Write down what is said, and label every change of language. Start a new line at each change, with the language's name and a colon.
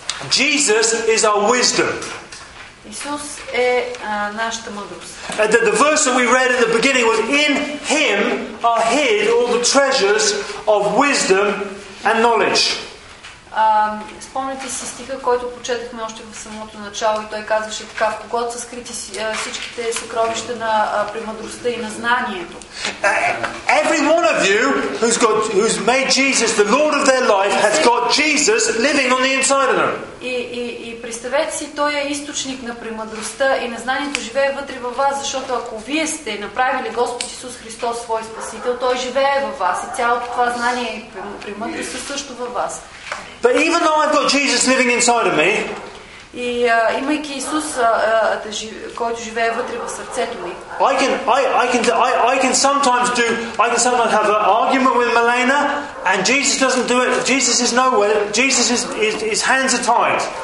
English: Jesus is our wisdom. The verse that we read in the beginning was, in Him are hid all the treasures of wisdom and knowledge.
Bulgarian: Спомните си стиха, който прочетахме още в самото начало, и той казваше така: в когото са скрити всичките съкровища на премъдростта и на знанието.
English: Every one of you who's made Jesus the Lord of their life has got Jesus living on the inside of them.
Bulgarian: И представете си, той е източник на премъдростта и на знанието, живее вътре във вас, защото ако вие сте направили Господ Исус Христос свой Спасител, той живее във вас и цялото това знание и премъдрост е също във вас.
English: But even though I've got Jesus living inside of me, I can sometimes have an argument with Milena, and Jesus doesn't do it. Jesus is nowhere. Jesus is his hands are tied.